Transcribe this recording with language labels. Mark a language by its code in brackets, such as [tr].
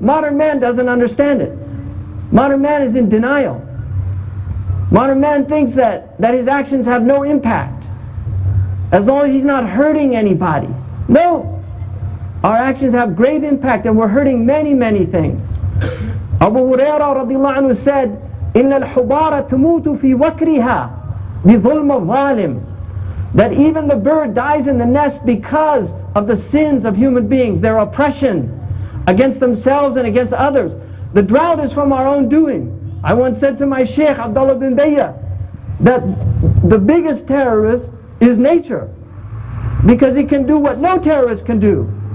[en] Modern man doesn't understand it. Modern man is in denial. Modern man thinks that his actions have no impact. As long as he's not hurting anybody. No! Our actions have grave impact and we're hurting many, many things. [ar] Abu Huraira radiallahu anhu said, إِنَّ الْحُبَارَ تَمُوتُ فِي وَكْرِهَا بِظُلْمَ ظَالِمٍ. [en] That even the bird dies in the nest because of the sins of human beings, their oppression against themselves and against others. The drought is from our own doing. I once said to my Shaykh Abdullah bin Bayya that the biggest terrorist is nature, because he can do what no terrorist can do.